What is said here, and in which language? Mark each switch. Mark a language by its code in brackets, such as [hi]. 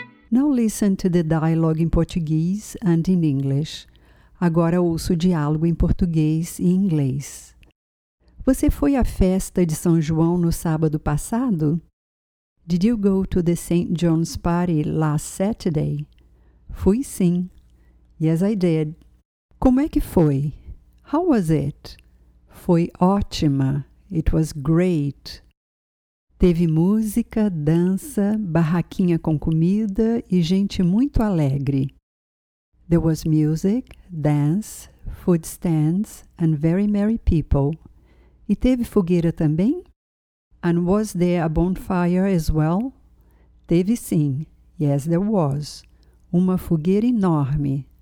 [en] Now listen to the dialogue in Portuguese and in English. [pt] Agora ouço o diálogo em português e inglês. Você foi à festa de São João no sábado passado? [en] Did you go to the St. John's party last Saturday? [pt] Fui sim. [en] Yes, I did. [pt] Como é que foi? [en] How was it? [pt] Foi ótima. [en] It was great. [pt] Teve música, dança, barraquinha com comida e gente muito alegre. [en] There was music, dance, food stands, and very merry people. [pt] E teve fogueira também? [en] And was there a bonfire as well? [pt] Teve sim. [en] Yes, there was. [pt] Uma fogueira enorme.